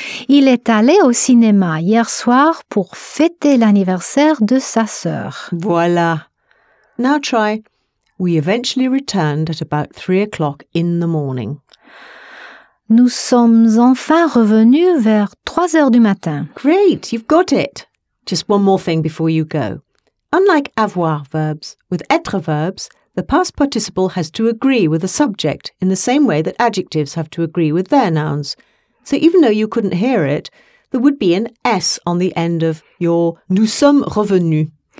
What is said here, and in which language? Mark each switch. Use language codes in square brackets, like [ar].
[fr] Il est allé au cinéma hier soir pour fêter l'anniversaire de sa sœur. Voilà. Now try. [en] We eventually returned at about 3 o'clock in the morning. [fr] Nous sommes enfin revenus vers 3 heures du matin. [en] Great, you've got it. Just one more thing before you go. Unlike avoir verbs, with être verbs, the past participle has to agree with the subject in the same way that adjectives have to agree with their nouns. So even though you couldn't hear it, there would be an S on the end of your [fr] nous sommes revenus.